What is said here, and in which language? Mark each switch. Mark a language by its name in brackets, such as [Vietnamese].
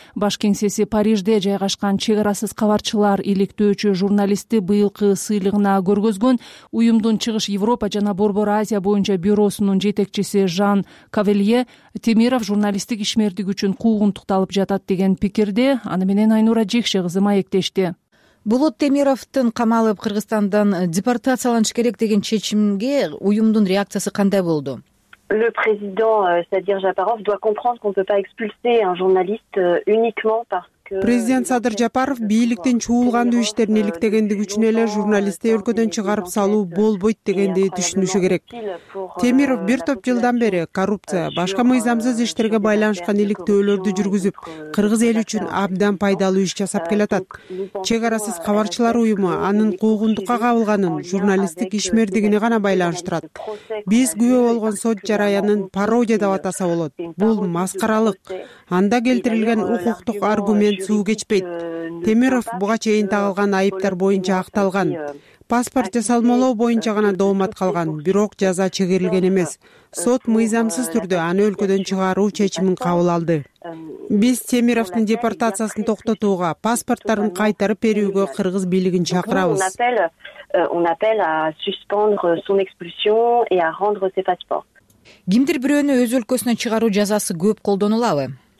[Kyrgyz] Баш кеңсеси Парижде жайгашкан чек арасыз кабарчылар иликтөөчү журналисти быйылкы сыйлыгына көргөзгөн уюмдун Чыгыш Европа жана Борбор Азия боюнча бюросунун жетекчиси Жан Кавелье Темиров журналисттик ишмердиги үчүн куугунтукталып жатат деген пикирде аны менен Айнура Жекши кызы маектешти. Болот Темировдун камалып Кыргызстандан депортацияланыш керек деген чечимге уюмдун реакциясы кандай болду? [French] Le président, c'est-à-dire Japarov, doit comprendre qu'on ne peut pas expulser un journaliste uniquement parce [Kyrgyz] Президент Садыр Жапаров бийликтин чуулгандуу иштерин иликтегендиги үчүн эле журналисти өлкөдөн чыгарып салуу болбойт дегенди түшүнүшү керек. Темиров бир топ жылдан бери коррупция, башка мыйзамсыз иштерге байланышкан иликтөөлөрдү жүргүзүп, кыргыз эли үчүн абдан пайдалуу иш жасап келатат. Чек арасыз кабарчылар уюму анын куугунтукка кабылганын журналисттик ишмердигине гана байланыштырат. Биз күбө болгон сот жараянын пародия деп атаса болот. Бул маскаралык. Анда келтирилген укуктук аргумент суу кечпейт. Темиров буга чейин тагылган айыптар боюнча акталган. Паспорт жасалмалоо боюнча гана доомат калган, бирок жаза чегерилген эмес. Сот мыйзамсыз түрдө аны өлкөдөн чыгаруу чечимин кабыл алды. Биз Темировдун депортациясын токтотууга, паспорттарын кайтарып берүүгө кыргыз бийлигин чакырабыз. [French] On appelle à suspendre son expulsion et à rendre ses passeports. [Kyrgyz] Кимдир бирөөнү өз өлкөсүнөн чыгаруу жазасы көп колдонулабы?